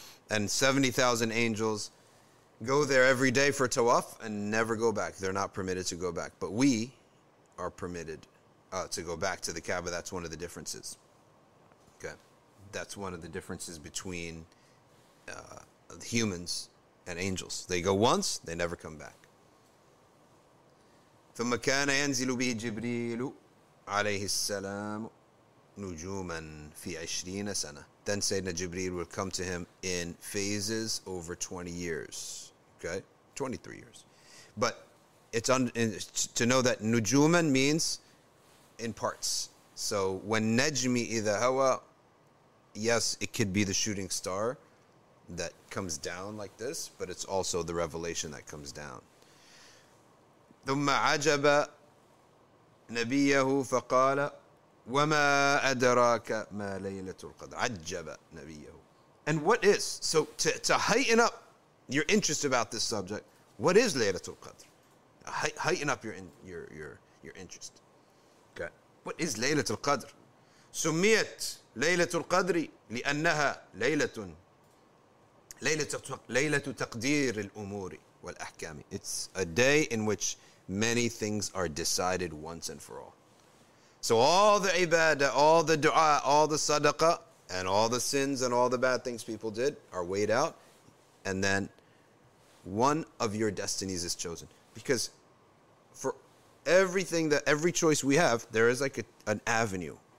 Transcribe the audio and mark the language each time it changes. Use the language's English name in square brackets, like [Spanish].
[English] And 70,000 angels go there every day for tawaf and never go back. They're not permitted to go back. But we are permitted to go back to the Kaaba. That's one of the differences. Okay. That's one of the differences between humans and angels. They go once, they never come back. [Arabic] ثم كان ينزل به جبريل عليه السلام نجوما في 20 سنة. [English] Then Sayyidina Jibreel will come to him in phases over 20 years. Okay? 23 years. But it's to know that نجوما means in parts. So when [Arabic] نجمي إذا هوا, [English] yes, it could be the shooting star that comes down like this, but it's also the revelation that comes down. [Arabic] ثُمَّ عَجَبَ نَبِيَّهُ فَقَالَ وَمَا أَدْرَاكَ مَا لَيْلَةُ الْقَدْرِ. عَجَبَ نَبِيَّهُ. [English] And what is, so to heighten up your interest about this subject, what is Laylatul Qadr? Heighten up your interest. Okay. What is Laylatul Qadr? [Arabic] سُمِّيَتْ لَيْلَةُ الْقَدْرِ لِأَنَّهَا لَيْلَةٌ ليلة تقدير الأمور والأحكام. [English] It's a day in which many things are decided once and for all. So all the ibadah, all the dua, all the sadaqah, and all the sins and all the bad things people did are weighed out. And then one of your destinies is chosen. Because for everything that every choice we have, there is like an avenue.